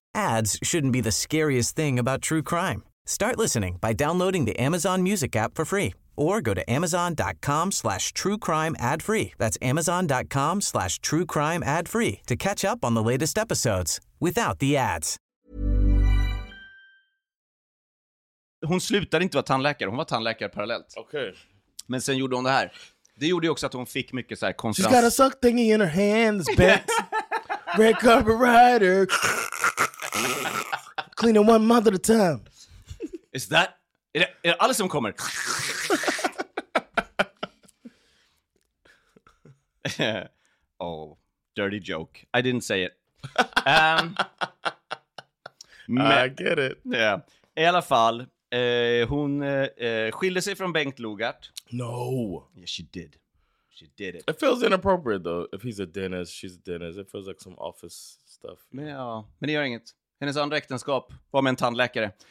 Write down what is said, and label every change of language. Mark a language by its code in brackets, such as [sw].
[en] Ads shouldn't be the scariest thing about true crime. Start listening by downloading the Amazon Music app for free or go to amazon.com/truecrimeadfree. That's amazon.com/truecrimeadfree to catch up on the latest episodes without the ads. [sv] hon slutade inte vara tandläkare. Hon var tandläkare parallellt. [en] Okay. [sv] Men sen gjorde hon det här. Det gjorde ju också att hon fick mycket så här konstans. [en] She's got a suck thingy in her hand that's bent. Red carpet rider. Cleaning one month at a time. Is that... [sv] Är det alla som kommer? [en] Oh, dirty joke. I didn't say it. [sv] men, [en] I get it. Yeah. [sv] I alla fall, hon skilde sig från Bengt Logart. [en] No. Yeah, she did. She did it. It feels inappropriate though. If he's a dentist, she's a dentist. It feels like some office stuff. [sv] Men, ja, men det gör inget. Hennes andra äktenskap var med en tandläkare.